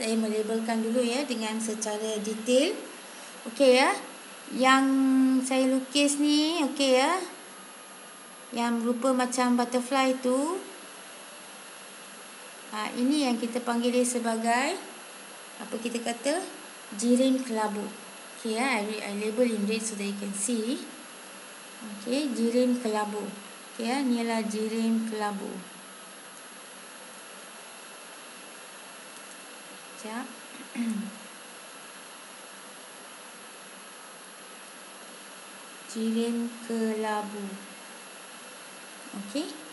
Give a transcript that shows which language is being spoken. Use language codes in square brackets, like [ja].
[ms] Saya melabelkan dulu ya dengan secara detail. Okay, ya. Yang saya lukis ni okey ya, yang rupa macam butterfly tu, ini yang kita panggil dia sebagai apa kita kata jirim kelabu. Okey ya, [en] I label in red so that you can see. [ms] Okey, jirim kelabu. Okey ya, ni ialah jirim kelabu. Jap. (Tuh) kirim ke labu. Okey.